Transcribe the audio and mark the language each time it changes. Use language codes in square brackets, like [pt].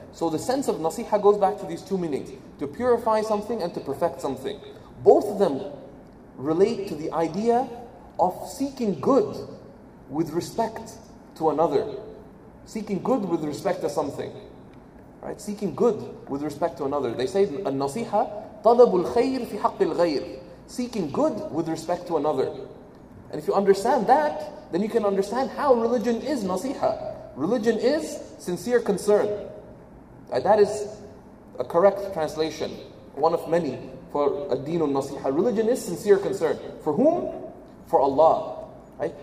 [en] So the sense of nasiha goes back to these two meanings, to purify something and to perfect something. Both of them relate to the idea of seeking good with respect to another. Seeking good with respect to something. Right? Seeking good with respect to another. They say, [ar] النصيحة طلب الخير في حق الغير. [en] Seeking good with respect to another. And if you understand that, then you can understand how religion is nasiha. Religion is sincere concern. That is a correct translation, one of many, for ad-deen al-nasiha. Religion is sincere concern. For whom? For Allah. Right?